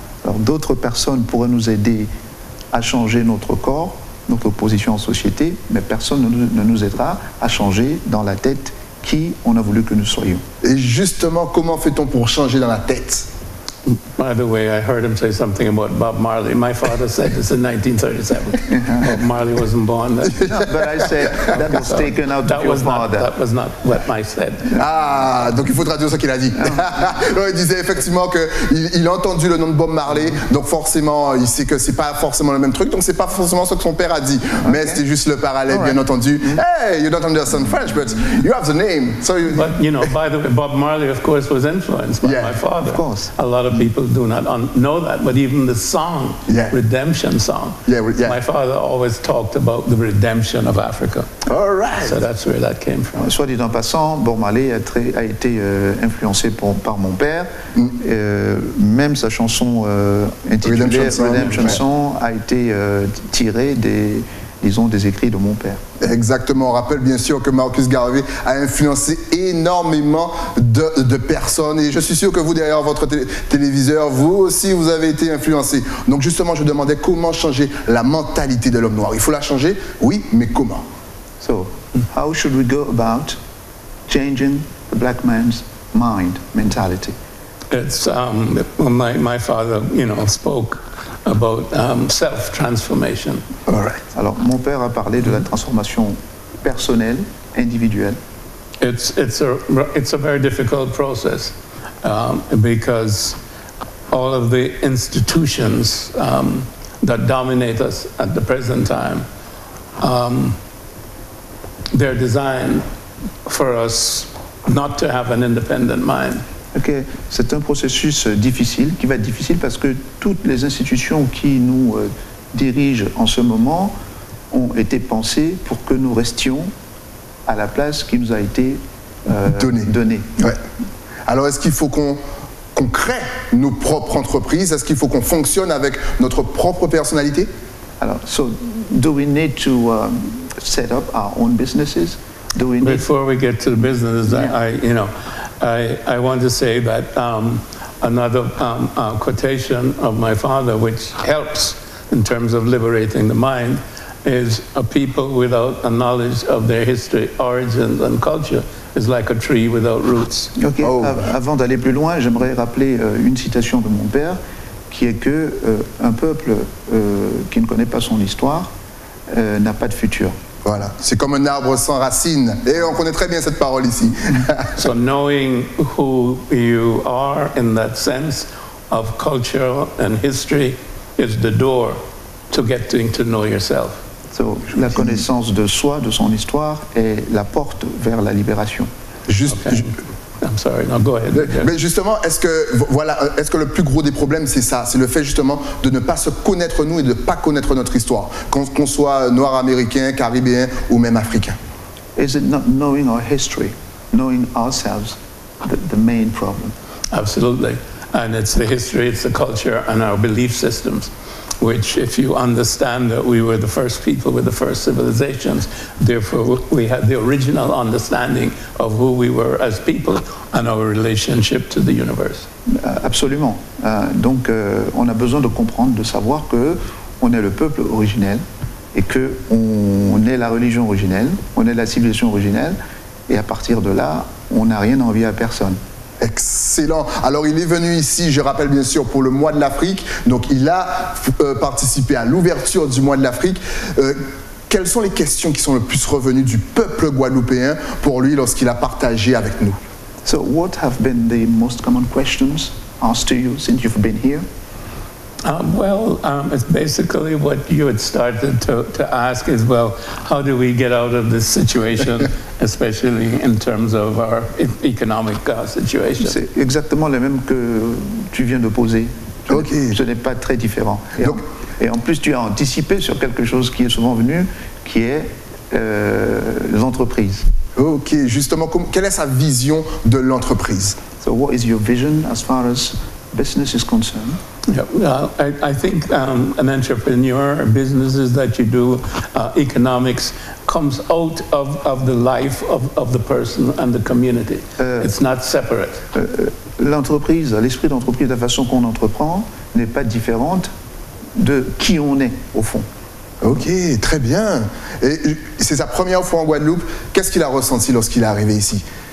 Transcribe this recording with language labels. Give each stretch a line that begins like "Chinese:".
French: Alors, d'autres personnes pourraient nous aider à changer notre corps, notre position en société, mais personne ne nous aidera à changer dans la tête qui on a voulu que nous soyons. Et justement, comment fait-on pour changer dans la tête?
English: By the way, I heard him say something about Bob Marley. My father said this in 1937. Bob Marley wasn't born then. No, but I said that was taken out that of your father. That was not what I said.
French: Ah, donc il faut traduire ce qu'il a dit. Il disait effectivement qu'il a entendu le nom de Bob Marley, donc forcément, il sait que c'est pas forcément le même truc, donc c'est pas forcément ce que son père a dit. Mais okay, c'était juste le parallèle, right, bien entendu.
English: Hey, you don't understand French, but you have the name. So you... But, you know, by the way, Bob Marley, of course, was influenced by, yeah, my father. Of course. A lot of people do not know that, but even the song, yeah, Redemption Song, yeah, yeah, my father always talked about the redemption of Africa. All right. So that's where that came from.
French: Soit dit en passant, Bob Marley a été influencé par mon père. Mm. Même sa chanson intitulée Redemption Song, Redemption Song a été tirée des, disons, des écrits de mon père. Exactement. On rappelle bien sûr que Marcus Garvey a influencé énormément de personnes. Et je suis sûr que vous, derrière votre téléviseur, vous aussi, vous avez été influencé. Donc justement, je demandais comment changer la mentalité de l'homme noir. Il faut la changer, oui, mais comment?
English: So, how should we go about changing the black man's mind, mentality? It's my father, you know, spoke about self-transformation. All right.
French: Alors, mon père a parlé de la transformation personnelle, individuelle.
English: It's a very difficult process because all of the institutions that dominate us at the present time, they're designed for us not to have an independent mind. Okay.
French: C'est un processus difficile, qui va être difficile parce que toutes les institutions qui nous dirigent en ce moment ont été pensées pour que nous restions à la place qui nous a été donnée. Ouais. Alors, est-ce qu'il faut qu'on crée nos propres entreprises? Est-ce qu'il faut qu'on fonctionne avec notre propre personnalité?
English: Alors, so, do we need to set up our own businesses? Do we need... Before we get to the business, I want to say that another quotation of my father, which helps in terms of liberating the mind, is a people without a knowledge of their history, origins, and culture is like a tree without roots. Okay. Oh.
French: Avant d'aller plus loin, j'aimerais rappeler une citation de mon père, qui est que un peuple qui ne connaît pas son histoire n'a pas de futur. Voilà, c'est comme un arbre sans racines. Et on connaît très bien cette parole ici.
English: So knowing who you are in that sense of culture and history is the door to getting to know yourself.
French: So la connaissance de soi, de son histoire, est la porte vers la libération.
English: Juste. Okay. I'm sorry. No, go ahead.
French: Mais justement, est-ce que le plus gros des problèmes, c'est ça? C'est le fait justement de ne pas se connaître nous et de ne pas connaître notre histoire, qu'on soit noir américain, caribéen ou même africain.
English: Is it not knowing our history, knowing ourselves, the main problem? Absolutely. And it's the history, it's the culture and our belief systems, which if you understand that we were the first people with the first civilizations, therefore we had the original understanding of who we were as people and our relationship to the universe.
French: Absolument. Donc on a besoin de comprendre, de savoir que on est le peuple originel et que on est la religion originelle, on est la civilisation originelle, et à partir de là, on n'a rien à envier à personne. Excellent. Alors, il est venu ici, je rappelle bien sûr, pour le mois de l'Afrique. Donc, il a participé à l'ouverture du mois de l'Afrique. Quelles sont les questions qui sont le plus revenues du peuple guadeloupéen pour lui lorsqu'il a partagé avec nous?
English: So, what have been the most common questions asked to you since you've been here? It's basically what you had started to ask is, well, how do we get out of this situation, especially in terms of our economic situation?
French: C'est exactement le même que tu viens de poser. Ok. Ce n'est pas très différent. Donc, et en plus, tu as anticipé sur quelque chose qui est souvent venu, qui est l'entreprise. Ok. Justement, quelle est sa vision de l'entreprise?
English: So, what is your vision as far as business is concerned? I think an entrepreneur, businesses that you do, economics comes out of the life of the person and the community. It's not separate.
French: L'entreprise, l'esprit d'entreprise, la façon qu'on entreprend n'est pas différente de qui on est au fond. Ok, très bien. Et c'est sa première fois en Guadeloupe. Qu'est-ce qu'il a ressenti lorsqu'il est arrivé ici?